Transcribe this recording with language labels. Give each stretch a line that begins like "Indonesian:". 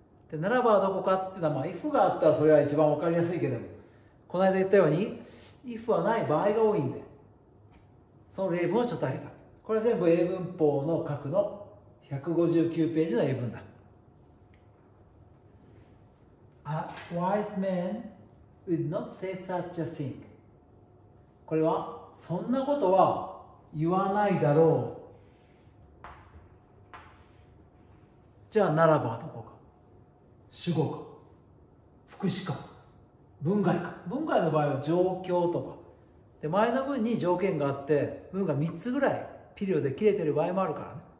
Japanese: で、ならばはどこかっていうのは、まあ、if があったらそれは一番わかりやすいけども、この間言ったように if はない場合が多いんで、その例文をちょっと挙げた。これは全部英文法の核の159ページの英文だ。
English: A wise man would not say such a thing。
Japanese: これはそんなことは言わないだろう。じゃあならばどこか、主語か、副詞か、文外か。文外の場合は状況とかで、前の文に条件があって文が3つぐらいピリオドで切れてる場合もあるからね。